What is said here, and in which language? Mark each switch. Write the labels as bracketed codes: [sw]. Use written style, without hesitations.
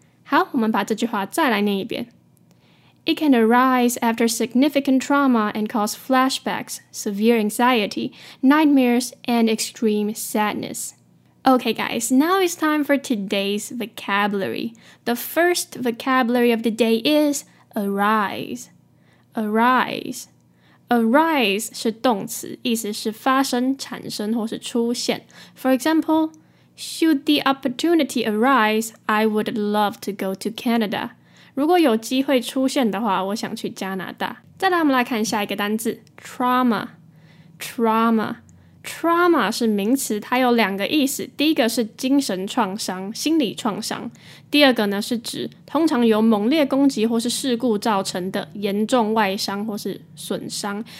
[zh] 好，我们把这句话再来念一遍。 [en] It can arise after significant trauma and cause flashbacks, severe anxiety, nightmares, and extreme sadness. Okay, guys, now it's time for today's vocabulary. The first vocabulary of the day is arise. [zh] Arise. Arise 是动词，意思是发生、产生或是出现。 [en] For example, should the opportunity arise, I would love to go to Canada. [zh] 如果有机会出现的话，我想去加拿大。再来，我们来看下一个单字 trauma. [en] Trauma. [zh] Trauma 是名词，它有两个意思，第一个是精神创伤、心理创伤，第二个呢是指通常由猛烈攻击或是事故造成的严重外伤或是损伤。